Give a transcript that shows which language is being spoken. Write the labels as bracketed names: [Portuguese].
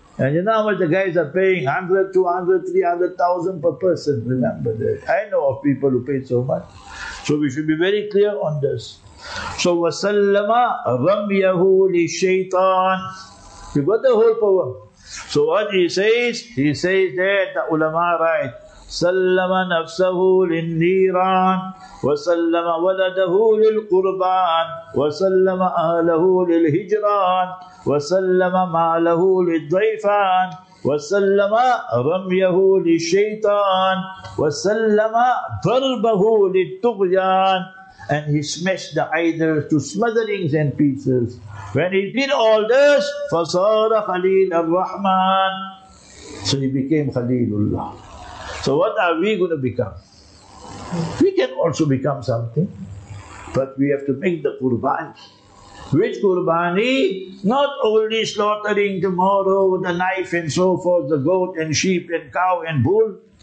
[English] And you know how much the guys are paying? 100, 200, 300,000 per person. Remember that. I know of people who pay so much. So we should be very clear on this. So, [Arabic] وَسَلَّمَ رَمْيَهُ لِلشَّيْطَانِ [English] You got the whole poem. So what he says that the ulama write, [Arabic] سَلَّمَ نَفْسَهُ لِلنِّيرَانِ وَسَلَّمَ وَلَدَهُ لِلْقُرْبَانِ وَسَلَّمَ أَهْلَهُ لِلْهِجْرَانِ وَسَلَّمَ مَالَهُ لِلضَّيْفَانِ وَسَلَّمَ رَمْيَهُ لِلشَّيْطَانِ وَسَلَّمَ ضَرْبَهُ لِلطُّغْيَانِ [English] And he smashed the idols to smotherings and pieces. When he did all this, [Arabic] فَصَارَ خَلِيلَ الرَّحْمَانِ [English] So he became Khalilullah. So what are we going to become? We can also become something, but we have to make the qurbani. Which qurbani? Not only slaughtering tomorrow with the knife and so forth, the goat and sheep and cow and bull.